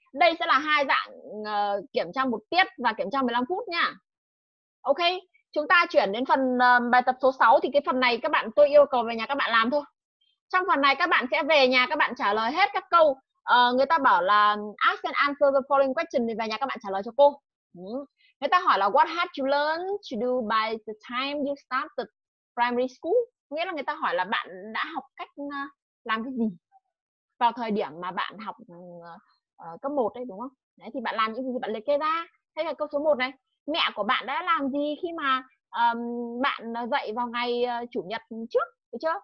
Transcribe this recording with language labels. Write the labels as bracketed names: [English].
[Vietnamese] Đây sẽ là hai dạng kiểm tra một tiết và kiểm tra 15 phút nha. Ok, chúng ta chuyển đến phần bài tập số 6. Thì cái phần này các bạn, tôi yêu cầu về nhà các bạn làm thôi. Trong phần này các bạn sẽ về nhà, các bạn trả lời hết các câu người ta bảo là [English] ask and answer the following question. [Vietnamese] Thì về nhà các bạn trả lời cho cô. Người ta hỏi là [English] what had you learned to do by the time you started primary school? [Vietnamese] Nghĩa là người ta hỏi là bạn đã học cách làm cái gì vào thời điểm mà bạn học cấp 1 đấy, đúng không? Đấy, thì bạn làm những gì, bạn liệt kê ra. Thế là câu số 1 này. Mẹ của bạn đã làm gì khi mà bạn dậy vào ngày chủ nhật trước? Được chưa?